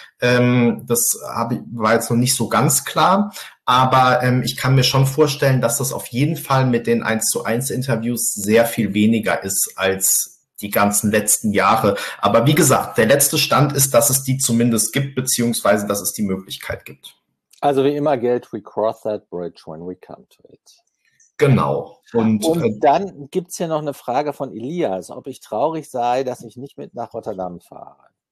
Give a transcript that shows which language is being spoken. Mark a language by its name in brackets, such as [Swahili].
[German] Das war jetzt noch nicht so ganz klar, aber ich kann mir schon vorstellen, dass das auf jeden Fall mit den 1:1-Interviews sehr viel weniger ist als die ganzen letzten Jahre. Aber wie gesagt, der letzte Stand ist, dass es die zumindest gibt, beziehungsweise dass es die Möglichkeit gibt. Also wie immer gilt, [English] we cross that bridge when we come to it. [German] Genau. Und dann gibt es hier noch eine Frage von Elias, ob ich traurig sei, dass ich nicht mit nach Rotterdam fahre.